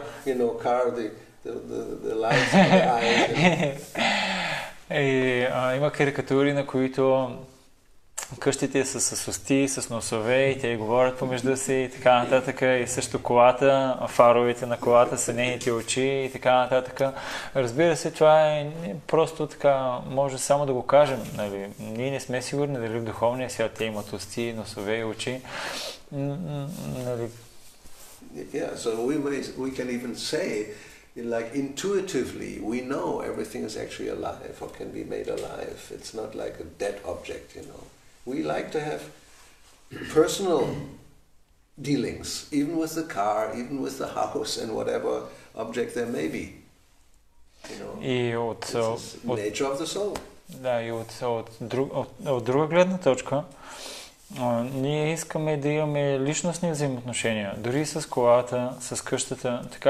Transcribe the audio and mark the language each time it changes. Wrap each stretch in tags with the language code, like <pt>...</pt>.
<en>Car, you know, car, the lights on the eyes.</en> <bg>Има карикатури, на които къщите са с усти, с носове и те говорят помежду си и така нататък. И също колата, фаровете на колата са нейните очи и така нататък. Разбира се, това е просто така, може само да го кажем. Нали? Ние не сме сигурни дали в духовния свят те имат усти, носове и очи. Нали?</bg> <en>Yeah, so we can even say, like intuitively, we know everything is actually alive or can be made alive. It's not like a dead object, you know. We like to have personal dealings, even with the car, even with the house and whatever object there may be. You know, it's the nature of the soul.</en> <bg>Да, и от друга гледна точка, ние искаме да имаме личностни взаимоотношения, дори с колата, с къщата.</bg>